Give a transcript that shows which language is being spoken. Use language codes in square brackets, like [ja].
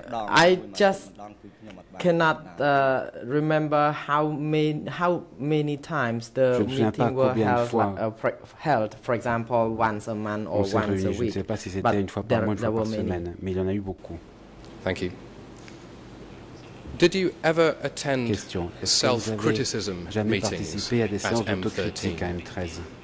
[en] I just cannot remember how many times the meeting were held, for example, once a month or once a week. [fr] Je ne sais pas si c'était une fois par mois, une fois par semaine, mais il y en a eu beaucoup. [en] Thank you. Did you ever attend a self-criticism meeting at M13?